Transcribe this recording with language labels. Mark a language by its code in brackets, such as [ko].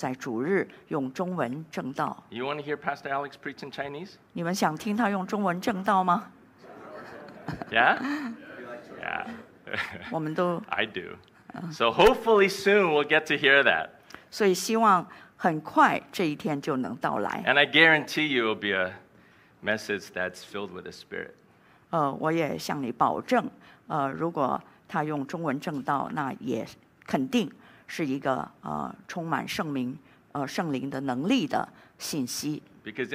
[zh] 也，他也一直为这个祷告，他在等待神给他机会，让他能够在主日用中文证道。 [en] You want to hear Pastor Alex preach in Chinese? [zh] 你们想听他用中文证道吗？ [en] Yeah? Yeah. [zh] 我们都 [en] I do. So hopefully soon we'll get to hear that. [zh] 所以希望很快这一天就能到来。 [en] And I guarantee you it'll be a message that's filled with the Spirit. [zh] 我也向你保证。如果他用中文证道，那也肯定是一个充满圣灵的能力的信息。 [en] Because